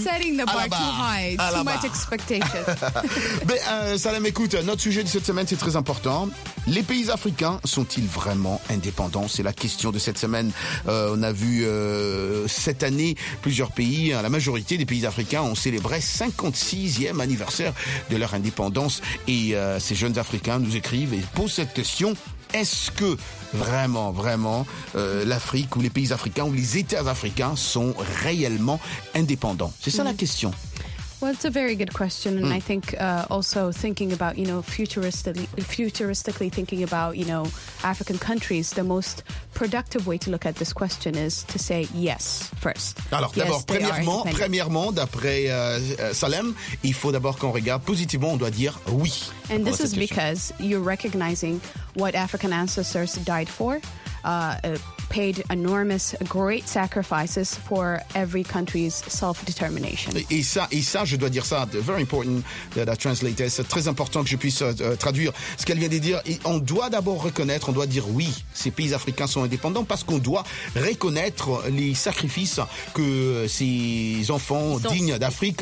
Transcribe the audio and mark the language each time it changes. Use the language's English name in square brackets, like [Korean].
[English] You're setting the bar too high, too much expectation. [French] Mais Salem, écoute, notre sujet de cette semaine, c'est très important. Les pays africains sont-ils vraiment indépendants? C'est la question de cette semaine. On a vu cette année plusieurs pays, la majorité des pays africains ont célébré 56e anniversaire de leur indépendance. Et ces jeunes Africains nous écrivent et posent cette question. Est-ce que vraiment, vraiment, l'Afrique ou les pays africains ou les États africains sont réellement indépendants? C'est ça la question. [English] Well, it's a very good question, and I think also thinking about, you know, futuristically thinking about, you know, African countries, the most productive way to look at this question is to say yes first. [French] Alors, [English] yes, [French] d'abord, premièrement, d'après Salem, il faut d'abord qu'on regarde positivement, on doit dire oui. [English] And this is because you're recognizing what African ancestors died for, paid enormous, great sacrifices for every country's self-determination. [French] Et ça, je dois dire ça, [English] very important that I translate this. [French] C'est très important que je puisse traduire ce qu'elle vient de dire. Et on doit d'abord reconnaître, on doit dire oui, ces pays africains sont indépendants parce qu'on doit reconnaître les sacrifices que ces enfants dignes d'Afrique...